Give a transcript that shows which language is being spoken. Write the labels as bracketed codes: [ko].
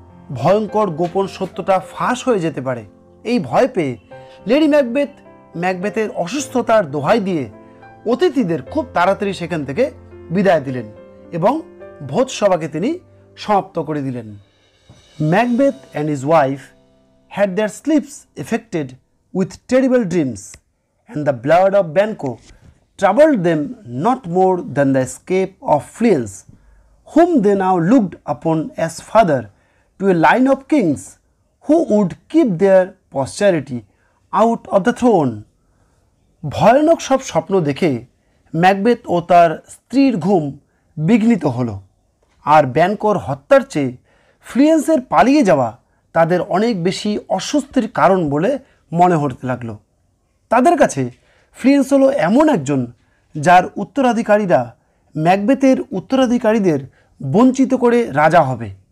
[bn] ভয়ঙ্কর গোপন সত্যটা ফাঁস হয়ে যেতে পারে এই ভয় পেয়ে লেডি ম্যাকবেথ ম্যাকবেথের অসুস্থতার দোহাই দিয়ে অতিথিদের খুব তাড়াতাড়ি সেখান থেকে বিদায় দিলেন এবং ভোজসভাকে তিনি সমাপ্ত করে দিলেন। [en] Macbeth and his wife had their sleeps affected with terrible dreams and the blood of Banquo troubled them not more than the escape of Fleance, whom they now looked upon as father to a line of kings who would keep their posterity out of the throne. [bn] ভয়ানক সব স্বপ্ন দেখে Macbeth ও তার স্ত্রীর ঘুম বিঘ্নিত হল আর ব্যানকোর হত্যার চেয়ে ফ্লিয়েন্সের পালিয়ে যাওয়া তাদের অনেক বেশি অস্বস্তির কারণ বলে মনে হতে লাগলো। তাদের কাছে ফ্লিয়েন্স হলো এমন একজন যার উত্তরাধিকারীরা ম্যাকবেথের উত্তরাধিকারীদের বঞ্চিত করে রাজা হবে।